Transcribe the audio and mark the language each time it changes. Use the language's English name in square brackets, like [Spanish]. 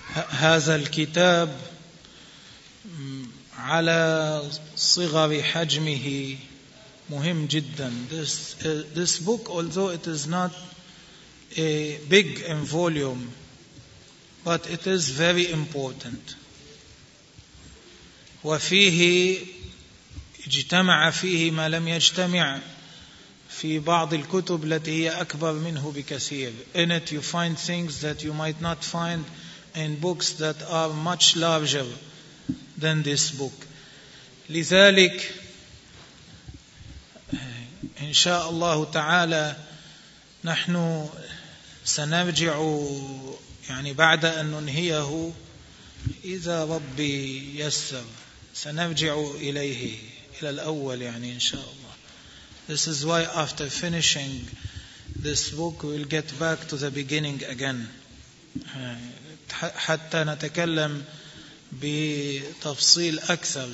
[Arabic] هذا الكتاب على صغر حجمه مهم جدا. [English] This book, although it is not a big in volume, but it is very important. [Arabic] وفيه اجتمع فيه ما لم يجتمع في بعض الكتب التي هي أكبر منه بكثير. [English] In it you find things that you might not find in books that are much larger than this book. [Arabic] لذلك إن شاء الله تعالى نحن سنرجع يعني بعد أن ننهيه إذا ربي يسر سنرجع إليه إلى الأول يعني إن شاء الله. [English] This is why after finishing this book we'll get back to the beginning again [Arabic] حتى نتكلم بتفصيل أكثر.